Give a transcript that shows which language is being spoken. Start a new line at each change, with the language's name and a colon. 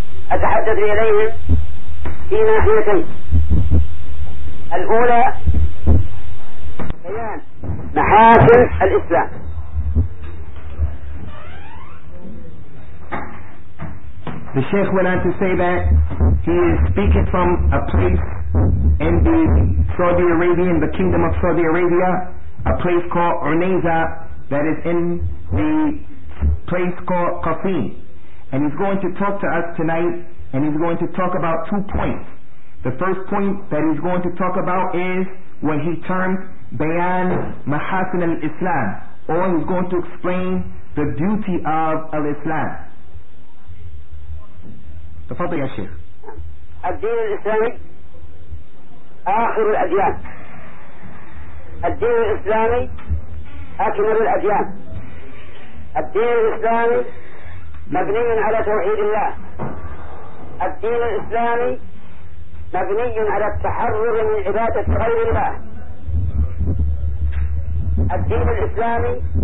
Arabic: أتحدث إليهم في ناحيتين: الأولى بيان محاسن الإسلام،
English: the Sheikh went on to say that he is speaking from a place in the Saudi Arabian, the Kingdom of Saudi Arabia, a place called Urneiza that is in the place called Qasim, and he's going to talk to us tonight, and he's going to talk about two points. The first point that he's going to talk about is what he termed Bayan Mahasin al-Islam, or he's going to explain the beauty of al-Islam.
Arabic: تفضل يا شيخ. الدين الإسلامي آخر الأديان، الدين الإسلامي أكمل الأديان، الدين الإسلامي مبني على توحيد الله، الدين الإسلامي مبني على التحرر من عبادة غير الله، الدين الإسلامي